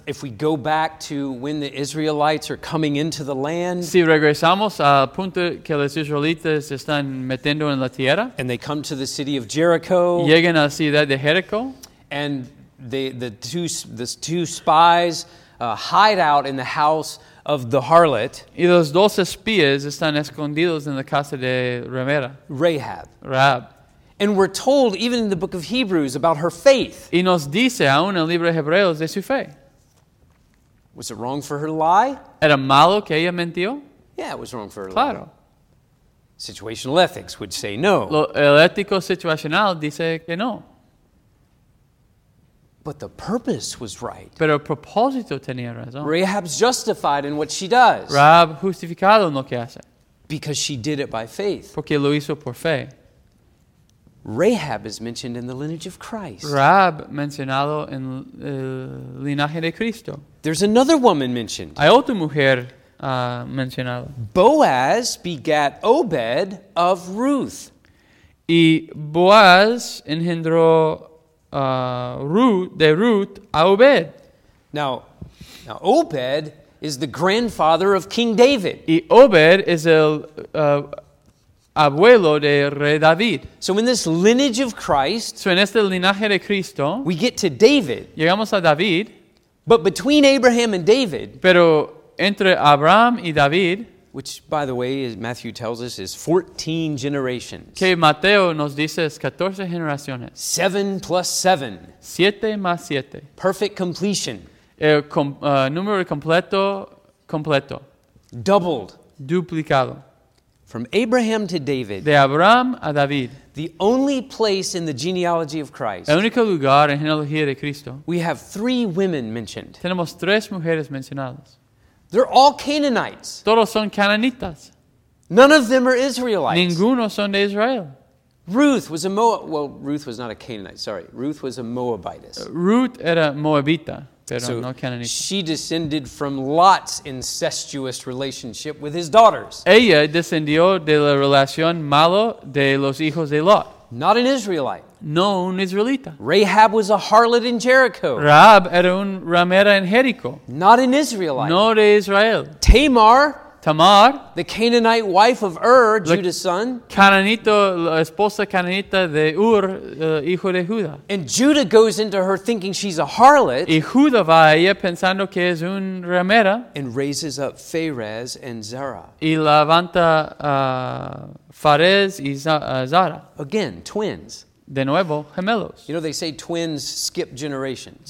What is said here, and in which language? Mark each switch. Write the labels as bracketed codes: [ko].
[en] If we go back to when the Israelites are coming into the land, [es] si regresamos al punto que los israelitas están metiendo en la tierra, [en] and they come to the city of Jericho, [es] llegan a la ciudad de Jericho, [en] and the two spies hide out in the house of the harlot, [es] y los dos espías están escondidos en la casa de Ramera, [en] Rahab. And we're told, even in the book of Hebrews, about her faith. [es] Y nos dice aún el libro de Hebreos de su fe. [en] Was it wrong for her to lie? [es] ¿Era malo que ella mentió? [en] Yeah, it was wrong for her to [es] claro. [en] Lie. Situational ethics would say no. [es] El ético situacional dice que no. [en] But the purpose was right. [es] Pero el propósito tenía razón. [en] Rahab's justified in what she does. [es] Rahab justificado en lo que hace. [en] Because she did it by faith. [es] Porque lo hizo por fe. [en] Rahab is mentioned in the lineage of Christ. [es] Rahab mencionado en el linaje de Cristo. [en] There's another woman mentioned. [es] Hay otra mujer mencionada. [en] Boaz begat Obed of Ruth. [es] Y Boaz engendró de Ruth a Obed. [en] Now Obed is the grandfather of King David. [es] Y Obed es el abuelo de Rey David. [en] So in this lineage of Christ, [es] so en este linaje de Cristo, [en] we get to David. [es] Llegamos a David. [en] But between Abraham and David, [es] pero entre Abraham y David, [en] which, by the way, as Matthew tells us, is 14 generations. [es] Que Mateo nos dice es 14 generaciones. [en] 7 plus 7. [es] 7 más 7. [en] Perfect completion. [es] Número completo, completo. [en] Doubled. [es] Duplicado. [en] From Abraham to David. [es] De Abraham a David. [en] The only place in the genealogy of Christ. [es] El único lugar en genealogía de Cristo. [en] We have three women mentioned. [es] Tenemos tres mujeres mencionadas. [en] They're all Canaanites. [es] Todos son cananitas. [en] None of them are Israelites. [es] Ninguno son de Israel. [en] Ruth was a Moab. Well, Ruth was not a Canaanite. Sorry. Ruth was a Moabitess. [es] Ruth era Moabita. Pero [en] so [es] no canonista. [en] She descended from Lot's incestuous relationship with his daughters. [es] Ella descendió de la relación malo de los hijos de Lot. [en] Not an Israelite. [es] No un israelita. [en] Rahab was a harlot in Jericho. [es] Rahab era un ramera en Jericho. [en] Not an Israelite. [es] No de Israel. [en] Tamar, the Canaanite wife of Judah's son. [es] Cananito, la esposa cananita de hijo de Judah. [en] And Judah goes into her thinking she's a harlot. [es] Y Judah va a ella pensando que es un ramera. [en] And raises up Phares and Zerah. [es] Y levanta Phares y Zerah. [en] Again, twins. [es] De nuevo, gemelos. [en] You know, they say twins skip generations.